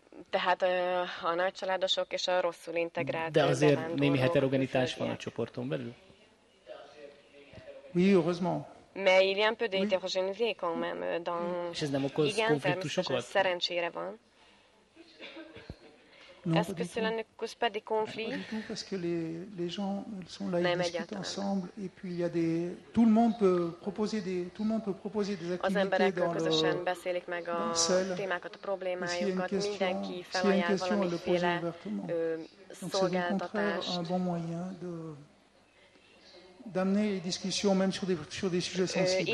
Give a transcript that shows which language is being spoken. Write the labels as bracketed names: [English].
[Hungarian] Tehát a nagy családosok és a rosszul integrált. De azért némi heterogenitás van a csoporton belül. [French] Oui, heureusement. Mais il y a un peu de hétérogénéité quand même dans [Hungarian] és ez nem okoz konfliktusokat? Igen, szerencsére van. [French] Est-ce que cela ne cause pas des conflits? Parce que les gens sont là et discutent ensemble et puis il y a des tout le monde peut proposer des activités dans le cell. [Hungarian] Az emberek közösen beszélik meg a témákat, a problémájukat, mindenki felajánl valamiféle szolgáltatást. [French] Un bon moyen de d'amener les discussions même sur des sujets sensibles.